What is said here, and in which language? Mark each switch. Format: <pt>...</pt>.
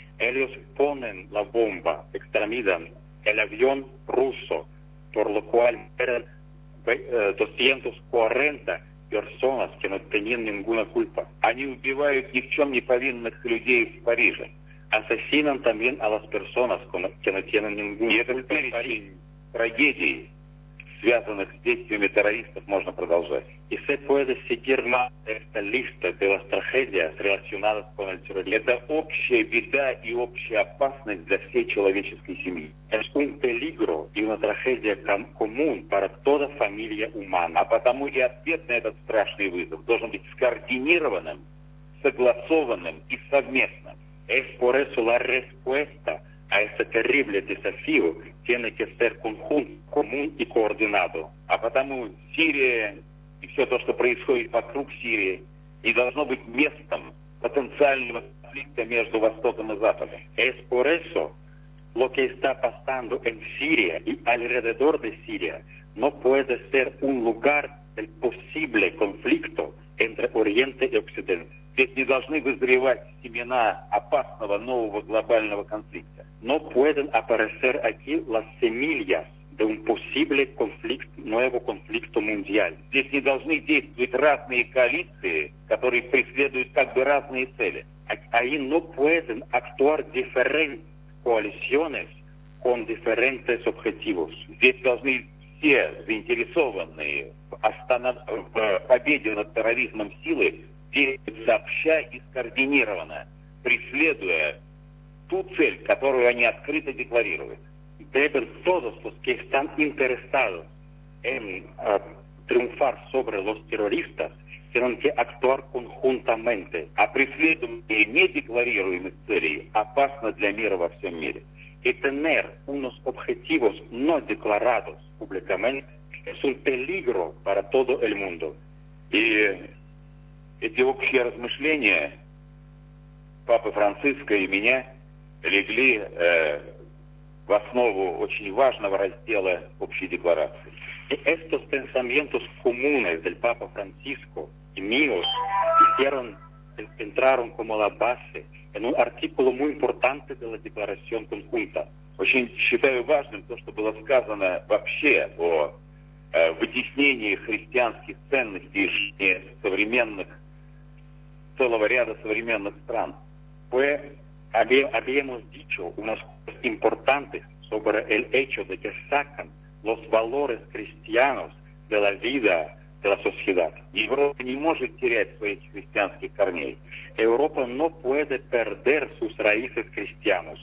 <es>Ellos ponen la bomba, extramidan el avión ruso, por lo cual mueren 240 personas que no tenían ninguna culpa.</es> <ru>Они убивают ни в чем не повинных людей в Париже.</ru> <es>Asesinan también a las personas que no tienen ninguna culpa.</es> <ru>И это перечень трагедии, связанных с действиями террористов, можно продолжать.</ru> <es>И se puede seguir más esta lista de las tragedias relacionadas con el terrorismo.</es> <ru>Это общая беда и общая опасность для всей человеческой семьи.</ru> <es>Es un peligro y una tragedia común para toda familia humana.</es> <ru>А потому и ответ на этот страшный вызов должен быть скоординированным, согласованным и совместным.</ru> <es>Es por eso la respuesta a este terrible desafío tiene que ser conjunto, común y coordinado.</es> <ru>А потому Сирия и все то, что происходит вокруг Сирии, не должно быть местом потенциального конфликта между Востоком и Западом.</ru> <es>Es por eso lo que está pasando en Siria y alrededor de Siria no puede ser un lugar del posible conflicto entre Oriente y Occidente.</es> <ru>ведь не должны вызревать семена опасного нового глобального конфликта.</ru> <es>Но pueden aparecer aquí las semillas de un posible conflicto, nuevo conflicto mundial.</es> <ru>Здесь не должны действовать разные коалиции, которые преследуют как бы разные цели.</ru> <es>Ahí no pueden actuar diferentes coaliciones con diferentes objetivos.</es> <ru>Здесь должны все заинтересованные в победе над терроризмом силы действовать сообща и скоординированно, преследуя ту цель, которую они открыто декларируют.</ru> <es>Deben todos los que están interesados en triunfar sobre los terroristas tienen que actuar conjuntamente.</es> <ru>А преследование недекларируемых целей опасно для мира во всем мире.</ru> <es>Y tener unos objetivos no declarados públicamente es un peligro para todo el mundo.</es> <ru>И эти общие размышления Папы Франциска и меня легли в основу очень важного раздела общей декларации.</ru> <es>Y estos pensamientos comunes del Papa Francisco y míos hicieron, entraron como la base en un artículo muy importante de la declaración conjunta.</es> <ru>Очень считаю важным то, что было сказано вообще о вытеснении христианских ценностей из современных, целого ряда современных стран.</ru> <es>Fue, habíamos dicho unas cosas importantes sobre el hecho de que sacan los valores cristianos de la vida de la sociedad.</es> <ru>Европа не может терять своих христианских корней.</ru> <es>Europa no puede perder sus raíces cristianas.</es>